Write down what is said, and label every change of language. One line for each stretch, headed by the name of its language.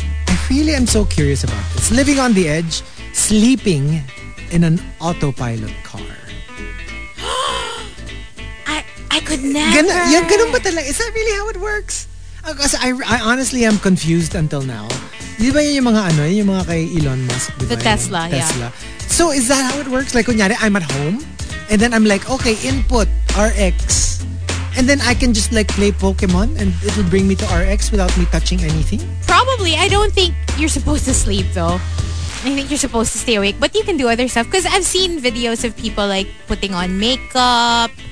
English: I really am so curious about this. Living on the edge, sleeping in an autopilot car. I could never.
Filipino: Ganun ba talaga?
English: Is that really how it works? Because I honestly am confused until now.
Filipino: Di ba yung mga ano, yung mga kay Elon Musk?
English: The Tesla,
Filipino: yung
English: Tesla, yeah. So is that how it works? Like
Filipino: kunyari,
English: I'm at home. And then I'm like, okay, input RX. And then I can just like play Pokemon and it will bring me to RX without me touching anything? Probably. I don't think you're supposed to sleep though. I think you're supposed to stay awake. But you can do other stuff. Because I've seen videos of people like putting on makeup.